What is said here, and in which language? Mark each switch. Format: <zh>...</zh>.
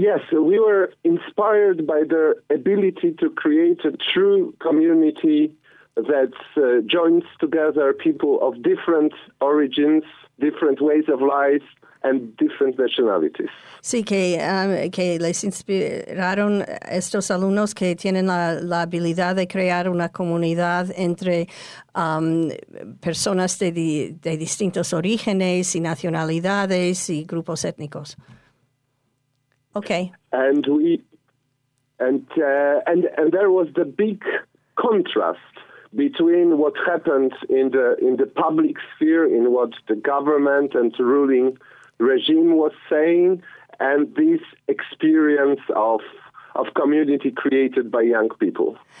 <en>So we were inspired by their ability to create a true community that joins together people of different origins, different ways of life, and different nationalities.</en> <es>Sí, que les inspiraron estos alumnos que tienen la habilidad de crear una comunidad entre personas de distintos orígenes y nacionalidades y grupos étnicos.</es> <en>Okay. And there was the big contrast between what happened in the public sphere, in what the government and the ruling regime was saying, and this experience of community created by young people.</en>